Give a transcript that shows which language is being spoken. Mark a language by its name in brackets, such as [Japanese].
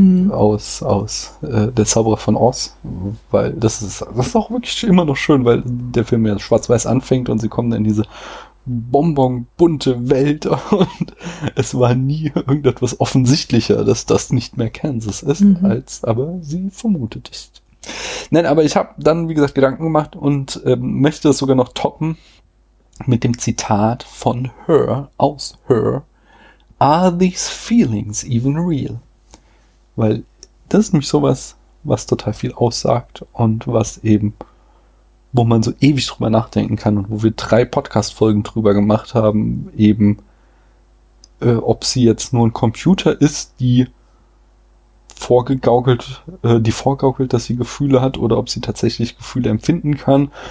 [German] Aus Der Zauberer von Oz, weil das ist auch wirklich immer noch schön, weil der Film ja schwarz-weiß anfängt und sie kommen in diese bonbon-bunte Welt und es war nie irgendetwas offensichtlicher, dass das nicht mehr Kansas ist, als aber sie vermutet ist. Nein, aber ich habe dann, wie gesagt, Gedanken gemacht und möchte das sogar noch toppen mit dem Zitat von Her, aus Her. [English] Are these feelings even real? [German] Weil das ist nämlich sowas, was total viel aussagt und was eben, wo man so ewig drüber nachdenken kann und wo wir 3 Podcast-Folgen drüber gemacht haben, eben ob sie jetzt nur ein Computer ist, die vorgegaukelt, dass sie Gefühle hat oder ob sie tatsächlich Gefühle empfinden kann.